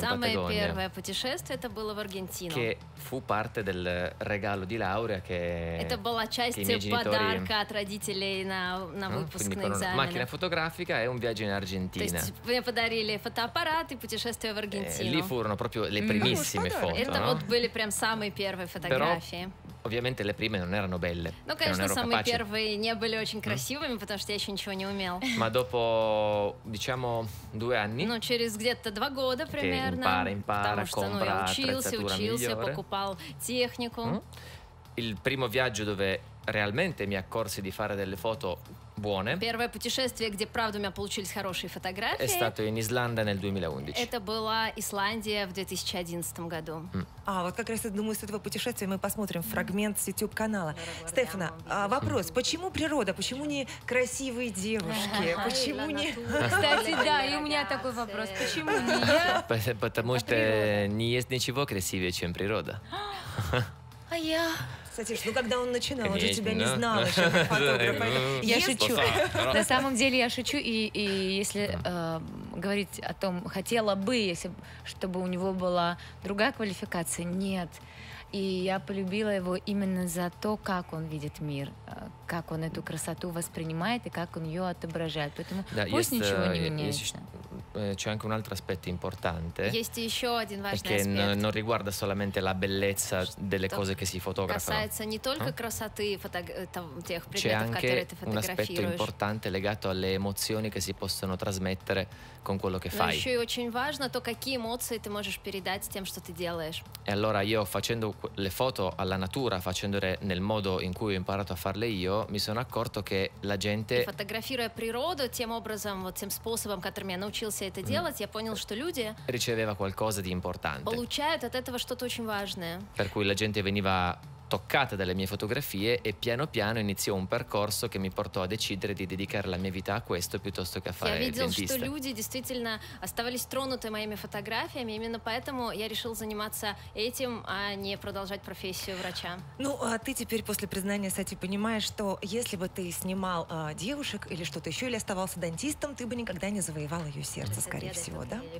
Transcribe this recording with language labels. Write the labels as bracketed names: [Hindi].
[Russian] Самое первое путешествие это было в Аргентину. [Italian] Che fu parte del regalo di laurea che [Russian] это была часть подарка от родителей на выпускные экзамены. [Italian] Macchina fotografica e un viaggio in Argentina. [Russian] То есть мне подарили фотоаппарат и путешествие в Аргентину. [Italian] Lì furono proprio le primissime foto. [Russian] Это вот были прям самые первые фотографии. [Italian] Obviamente le prime non erano belle. [Russian] Ну, конечно, самые первые не были очень красивыми, потому что я еще ничего не умел. [Italian] Ma dopo, diciamo, due anni. [Russian] Ну, через где-то два года примерно. Impara, потому что, ну, я учился, покупал технику. [Italian] Il primo viaggio dove realmente mi accorsi di fare delle foto buone. [Russian] Первое путешествие, где правда у меня получились хорошие фотографии. [Italian] È stato in Islanda nel 2011. [Russian] Это была Исландия в 2011 году. А вот как раз я думаю, с этого путешествия мы посмотрим фрагмент с YouTube канала. Стефана, вопрос: почему природа? Почему не красивые девушки? Почему не? Кстати, да, и у меня такой вопрос: почему не я? Потому что не есть ничего красивее, чем природа. А я. Кстати, ну когда он начинал, он же тебя не знал еще как фотографа. Я шучу. На самом деле я шучу, и если говорить о том, хотела бы, если чтобы у него была другая квалификация, нет. И я полюбила его именно за то, как он видит мир, как он эту красоту воспринимает и как он ее отображает. Поэтому да, пусть есть, ничего не меняется. [Italian] C'è anche un altro aspetto importante. [Russian] Есть еще один важный аспект. [Italian] Non riguarda solamente la bellezza delle cose che si fotografano. [Russian] Касается не только красоты тех предметов, которые ты фотографируешь. [Italian] Un aspetto importante legato alle emozioni che si possono trasmettere con quello che fai. [Russian] Еще и очень важно то, какие эмоции ты можешь передать тем, что ты делаешь. [Italian] E allora io facendo le foto alla natura, facendole nel modo in cui ho imparato a farle io, mi sono accorto che la gente. [Russian] Фотографируя природу тем образом, вот тем способом, которым я научился это делать, я понял, что люди [Italian] riceveva qualcosa di importante. [Russian] Получают от этого что-то очень важное. [Italian] Per cui la gente veniva toccata dalle mie fotografie e piano piano iniziò un percorso che mi portò a decidere di dedicare la mia vita a questo piuttosto che a fare dentista. [Russian] Я видел, что люди действительно оставались тронуты моими фотографиями, именно поэтому я решил заниматься этим, а не продолжать профессию врача. Ну, а ты теперь после признания, кстати, понимаешь, что если бы ты снимал девушек или что-то еще, или оставался дантистом, ты бы никогда не завоевал ее сердце, скорее всего, да?